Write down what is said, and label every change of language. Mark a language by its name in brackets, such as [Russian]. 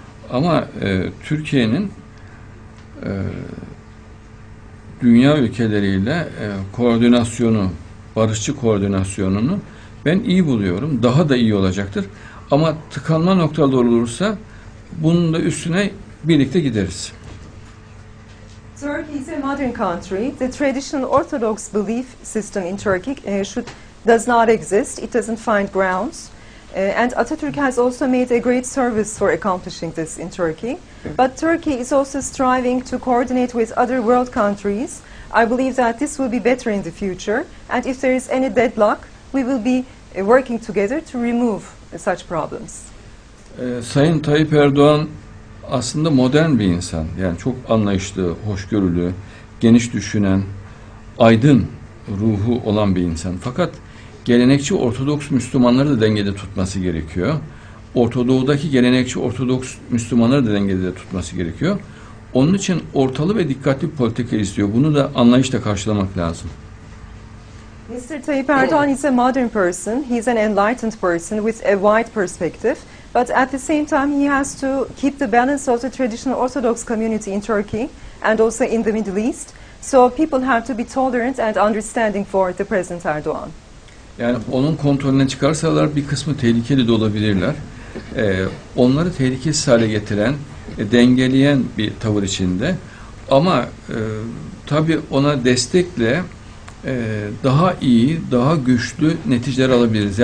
[Turkish] Ama Türkiye'nin dünya ülkeleriyle koordinasyonu, barışçı koordinasyonunu ben iyi buluyorum. Daha da iyi olacaktır. Ama tıkanma noktaları olursa bunun da üstüne birlikte gideriz. [English] Turkey is a modern country. The traditional orthodox belief system in Turkey should does not exist. It doesn't find grounds. And Atatürk has also made a great service for accomplishing this in Turkey. But Turkey is also striving to coordinate with other world countries. I believe that this will be better in the future. And if there is any deadlock, we will be working together to remove such problems. [Turkish] Sayın Tayyip Erdoğan aslında modern bir insan. Yani çok anlayışlı, hoşgörülü, geniş düşünen, aydın ruhu olan bir insan. Fakat gelenekçi Ortodoks Müslümanları da dengede tutması gerekiyor. Ortadoğu'daki gelenekçi Ortodoks Müslümanları da dengede tutması gerekiyor. Onun için ortalı ve dikkatli bir politika istiyor. Bunu da anlayışla karşılamak lazım. [English] Mr. Tayyip Erdoğan is a modern person. He's an enlightened person with a wide perspective. But at the same time, he has to keep the balance of the traditional Orthodox community in Turkey and also in the Middle East. So people have to be tolerant and understanding for the present Erdoğan. [Turkish] Yani onun kontrolüne çıkarsalar bir kısmı tehlikeli de olabilirler. Onları tehlikesiz hale getiren, dengeleyen bir tavır içinde. Ama tabii ona destekle daha iyi, daha güçlü neticeler alabiliriz.